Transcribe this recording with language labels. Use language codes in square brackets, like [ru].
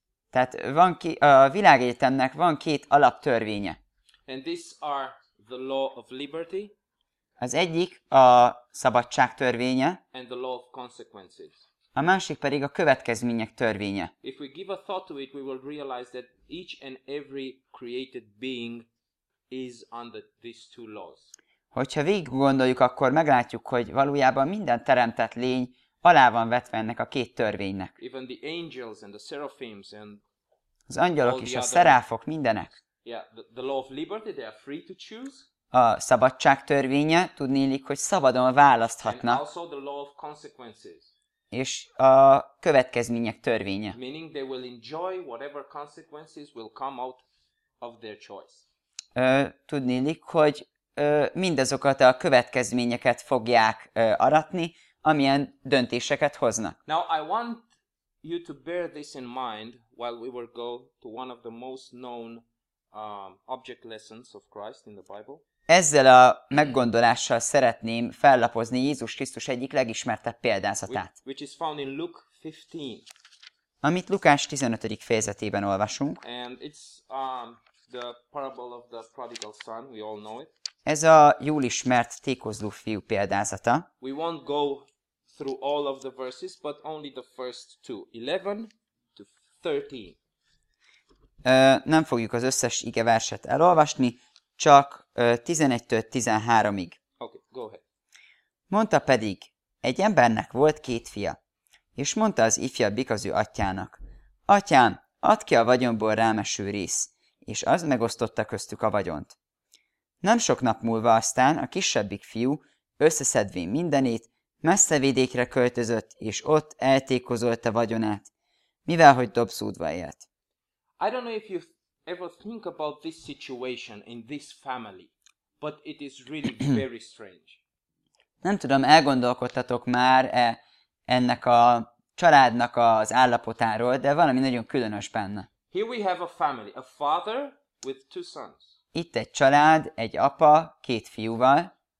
[hu] Tehát van a világegyetemnek van két alaptörvénye. [en] And these are the law of liberty. [hu] Az egyik a szabadság törvénye, [en] and the law of consequences. [hu] A másik pedig a következmények törvénye. [en] If we give a thought to it, we will realize that each and every created being is under these two laws. [hu] Hogyha végig gondoljuk, akkor meglátjuk, hogy valójában minden teremtett lény alá van vetve ennek a két törvénynek. [en] Even the angels and the seraphims and [hu] az angyalok és a szeráfok mindenek. [en] Yeah, the law of liberty, they are free to choose. [hu] A szabadság törvénye, tudnélik, hogy szabadon választhatnak. [en] And also the law of consequences. [hu] És a következmények törvénye. [en] Meaning they will enjoy whatever consequences will come out of their choice. [hu] Tudnélik, hogy mindazokat a következményeket fogják aratni, amilyen döntéseket hoznak. [en] Now I want you to bear this in mind while we will go to one of the most known object lessons of Christ in the Bible. [hu] Ezzel a meggondolással szeretném fellapozni Jézus Krisztus egyik legismertebb példázatát. [en] Which is found in Luke 15. [hu] Amit Lukás 15. fejezetében olvasunk. [en] And it's the parable of the prodigal son, we all know it. [hu] Ez a jól ismert tékozló fiú példázata. [en] We won't go through all of the verses, but only the first two, 11 to 13. [hu] Nem fogjuk az összes ige verset elolvasni, csak 11-től 13-ig. [en] Okay, go ahead. [hu] Mondta pedig, egy embernek volt két fia, és mondta az ifjabbik az ő atyának, atyám, add ki a vagyonból rám eső rész, és az megosztotta köztük a vagyont. Nem sok nap múlva aztán a kisebbik fiú, összeszedvén mindenét, messze vidékre költözött, és ott eltékozolt a vagyonát, mivel hogy dobszúdva élt. [en] I don't know if you ever think about this situation in this family, but it is really very strange. [hu] Nem tudom, elgondolkodtatok már ennek a családnak az állapotáról, de valami nagyon különös benne. [en] Here we have a family, a father with two sons. [hu] Itt egy család, egy apa, két fiúval.